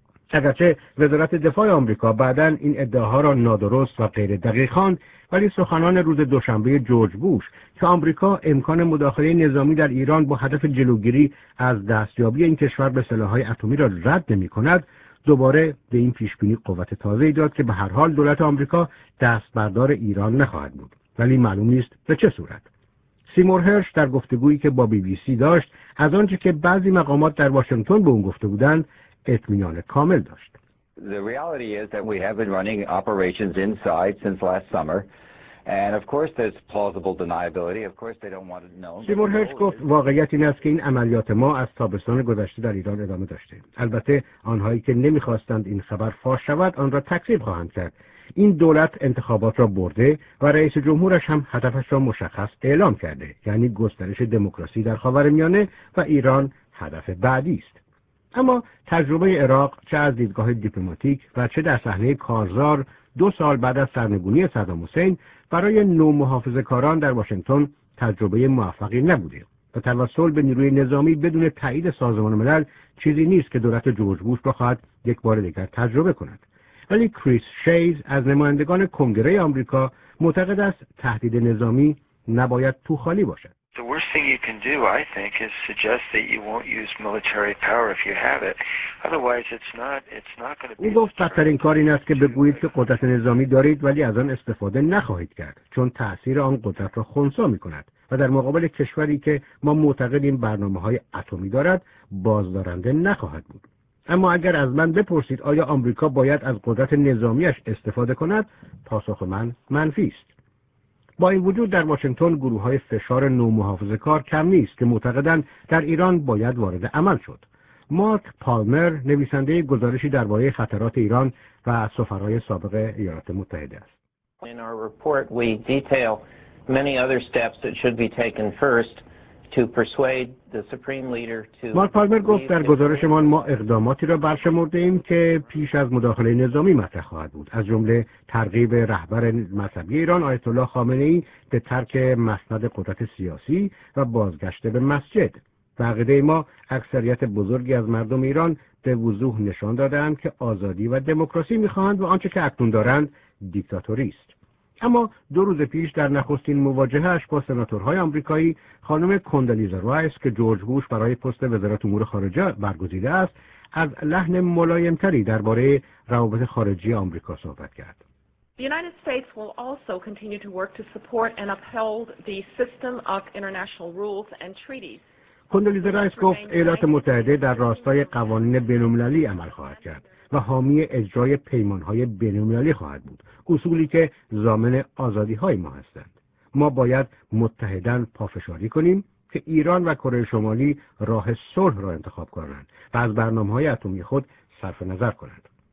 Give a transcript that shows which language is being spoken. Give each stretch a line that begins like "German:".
Persian: اگرچه وزارت دفاع آمریکا بعداً این ادعاها را نادرست و غیر دقیق خواند، ولی سخنان روز دوشنبه جورج بوش که آمریکا امکان مداخله نظامی در ایران با هدف جلوگیری از دستیابی این کشور به سلاح‌های اتمی را رد نمی‌کند، دوباره به این پیشبینی قوت تازه‌ای داد که به هر حال دولت آمریکا دستبردار ایران نخواهد بود، ولی معلوم نیست به چه صورت. سیمور هرش در گفتگویی که با بی بی سی داشت از آنچه که بعضی مقامات در واشنگتن به او گفته بودند اطمینان کامل داشت.
English: The reality is that we have been running operations inside since last summer and of course there's plausible deniability. Of course they don't want it known.
Persian: سیمور هرش گفت واقعیت این است که این عملیات ما از تابستان گذشته در ایران ادامه داشته. البته آنهایی که نمی‌خواستند این خبر فاش شود آن را تکذیب خواهند کرد. این دولت انتخابات را برده و رئیس جمهورش هم هدفش را مشخص اعلام کرده، یعنی گسترش دموکراسی در خاورمیانه و ایران هدف بعدی است. اما تجربه عراق چه از دیدگاه دیپلماتیک و چه در صحنه کارزار 2 سال بعد از سرنگونی صدام حسین برای نو محافظه‌کاران در واشنگتن تجربه موفقی نبوده و توسل به نیروی نظامی بدون تایید سازمان ملل چیزی نیست که دولت جورج بوش بخواهد یک بار دیگر تجربه کند. ولی کریس شیز از نمایندگان کنگره آمریکا معتقد است تهدید نظامی نباید تو خالی باشد.
English: The worst thing you can do, I think, is suggest that you won't use military power if you have it. Otherwise, it's not going to be.
Persian: او گفت بدترین کار این است که بگویید که قدرت نظامی دارید ولی از آن استفاده نخواهید کرد، چون تأثیر آن قدرت را خنثی می‌کند و در مقابل کشوری که ما معتقدیم برنامه‌های اتمی دارد، بازدارنده نخواهد بود. اما اگر از من بپرسید آیا آمریکا باید از قدرت نظامیش استفاده کند، پاسخ من منفی است. با این وجود در واشنگتن گروه‌های فشار نو محافظه‌کار کم نیست که معتقدند در ایران باید وارد عمل شد. مارک پالمر نویسنده گزارشی درباره خطرات ایران و سفرهای سابق ایالات متحده است.
English: In our report we detail many other steps that should be taken first to persuade the supreme leader to.
Persian: مارک پالمر گفت در گزارشمان ما اقداماتی را برشمرده‌ایم که پیش از مداخله نظامی مطرح خواهد بود، از جمله ترغیب رهبر مذهبی ایران آیت الله خامنه‌ای به ترک مسند قدرت سیاسی و بازگشت به مسجد. عقیده ما اکثریت بزرگی از مردم ایران به وضوح نشان دادند که آزادی و دموکراسی می‌خواهند و آنچه که اکنون دارند دیکتاتوری است. اما 2 روز پیش در نخستین مواجهه‌اش با سناتورهای آمریکایی، خانم کندلیزا رایس که جورج بوش برای پست وزارت امور خارجه برگزیده است، از لحن ملایم‌تری درباره روابط خارجی آمریکا صحبت کرد.
English: The United States will also continue to work to support and uphold the system of international rules and treaties.
Persian: کندلیزا رایس گفت ایالات متحده در راستای قوانین بین‌المللی عمل خواهد کرد و حامی اجرای پیمان‌های بین‌المللی خواهد بود، اصولی که ضامن آزادی‌های ما هستند. ما باید متحداً پافشاری کنیم که ایران و کره شمالی راه صلح را انتخاب کنند و از برنامه‌های اتمی خود صرف نظر کنند.